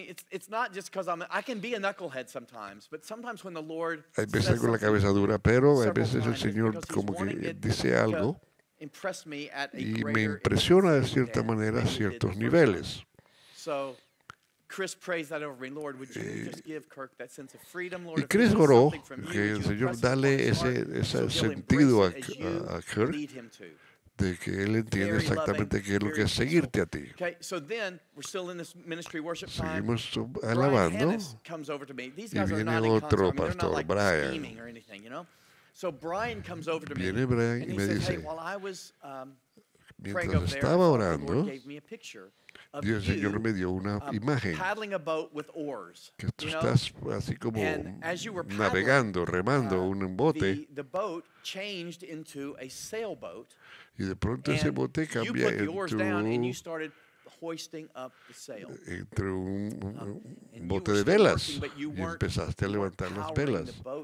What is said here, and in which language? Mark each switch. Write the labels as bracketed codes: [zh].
[en] it's not just because I can be a knucklehead sometimes, but sometimes when the Lord [es] hay veces con la cabeza dura, pero hay veces el Señor como que dice algo y me impresiona de cierta manera a ciertos niveles. [en] Chris prays that over me, Lord, would you just give Kirk that sense of freedom, Lord? [es] Y Chris oró que el Señor dale ese sentido a Kirk de que él entiende exactamente qué es lo que es seguirte a ti. [en] Okay, so then we're still in this ministry worship time. [es] Seguimos alabando. [en] Comes over to me. These guys are not in concert. I mean, they're not like screaming or anything, you know. So Brian comes over to me. [es] Viene Brian y me dice, [en] hey, while I was [es] mientras estaba orando, Dios, el Señor me dio una imagen que tú estás así como navegando, remando un bote y de pronto ese bote cambia entre un bote de velas y empezaste a levantar las velas.